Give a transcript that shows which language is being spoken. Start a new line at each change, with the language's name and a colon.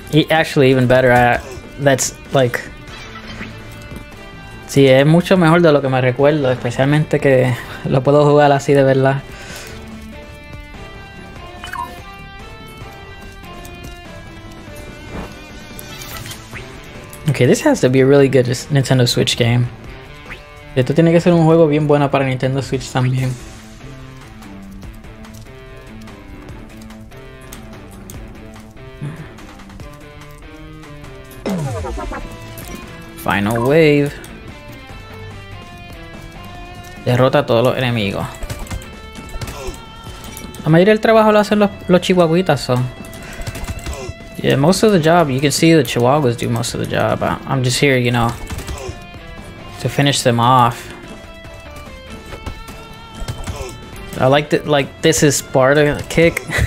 English: Actually even better. That's like,
Spanish: sí, es mucho mejor de lo que me recuerdo, especialmente que lo puedo jugar así de verdad.
English: Okay, this has to be a really good Nintendo Switch game.
Spanish: Esto tiene que ser un juego bien bueno para Nintendo Switch también.
English: Final wave.
Spanish: Derrota a todos los enemigos. La mayoría del trabajo lo hacen los chihuahuitas, so.
English: Yeah, most of the job, you can see the chihuahuas do most of the job. I'm just here, you know, to finish them off. I like that, like, this is Sparta kick.